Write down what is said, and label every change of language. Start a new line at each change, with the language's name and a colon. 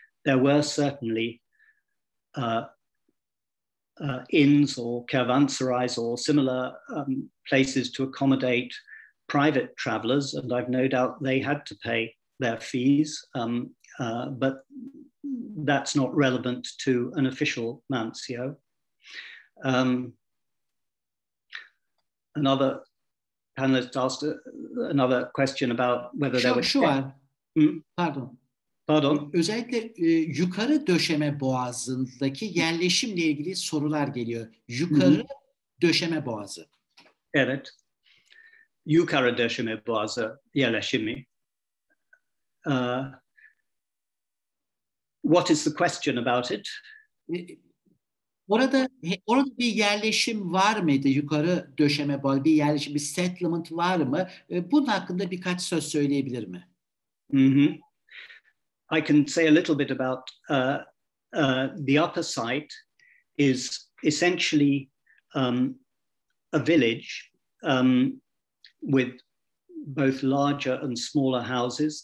English: There were certainly inns or caravanserais or similar places to accommodate private travelers, and I've no doubt they had to pay their fees, but that's not relevant to an official mansio. Another panelist asked another question about whether there were...
Turkish: Pardon. Özellikle yukarı döşeme boğazındaki yerleşimle ilgili sorular geliyor. Yukarı döşeme boğazı. Evet. Yukarı döşeme boğazı yerleşimi.
English: What is the question about it?
Turkish: Orada bir yerleşim var mıydı? Yukarı döşeme boğazı, bir yerleşim, bir settlement var mı? Bunun hakkında birkaç söz söyleyebilir mi?
English: I can say a little bit about the upper site is essentially a village with both larger and smaller houses.